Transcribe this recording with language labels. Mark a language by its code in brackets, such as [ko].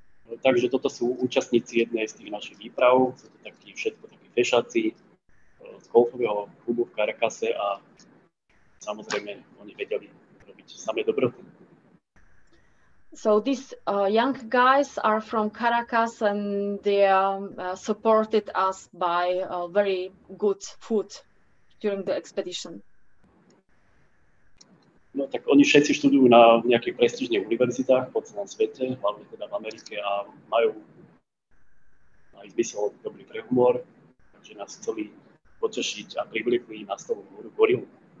[sk] Takže toto sú účastníci jednej z tých našich výprav. Sú to takí všetko takí fešáci z golfového klubu v Caracase a samozrejme oni vedeli robiť samé dobroty. [en] So these young guys are from Caracas and they supported us by very good food during the expedition. [sk] No tak oni všetci študujú na nejakých prestížnych univerzitách po celom svete, hlavne teda v Amerike a majú aj zmysel dobrý prehumor, takže nás chceli potešiť a priblikli na stovu hru gorilu.